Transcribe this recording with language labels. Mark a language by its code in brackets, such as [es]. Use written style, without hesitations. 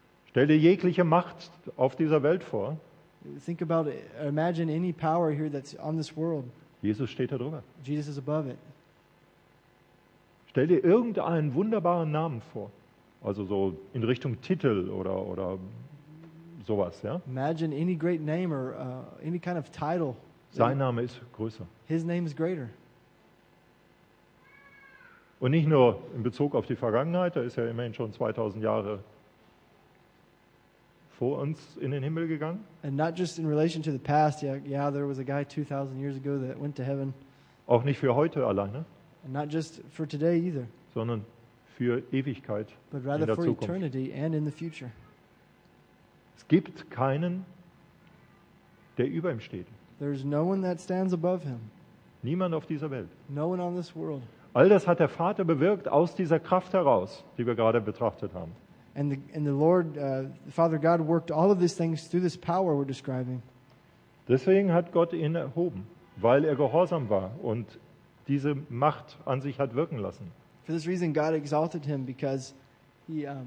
[de] Stell dir jegliche Macht auf dieser Welt vor. [en] Think about it. Imagine any power here that's on this world. [de] Jesus steht da drüber. [en] Jesus is above it. [de] Stell dir irgendeinen wunderbaren Namen vor. Also so in Richtung Titel oder sowas, ja? [en] Imagine any great name or any kind of title. [de] Sein Name ist größer. [en] His name is greater. [de] Und nicht nur in Bezug auf die Vergangenheit, da ist ja immerhin schon 2000 Jahre vor uns in den Himmel gegangen. [en] And not just in relation to the past, yeah, there was a guy 2000 years ago that went to heaven. [de] Auch nicht für heute alleine. [en] And not just for today either. [de] Sondern für Ewigkeit. [en] But rather [de] in der [en] for [de] Zukunft. [en] Eternity and in the future. [de] Es gibt keinen, der über ihm steht. [en] There is no one that stands above him. [de] Niemand auf dieser Welt. [en] No one on this world. [de] All das hat der Vater bewirkt aus dieser Kraft heraus, die wir gerade betrachtet haben. [en] And the Lord, the Father God, worked all of these things through this power we're describing. [de] Deswegen hat Gott ihn erhoben, weil er gehorsam war und diese Macht an sich hat wirken lassen. [en] For this reason, God exalted him because he.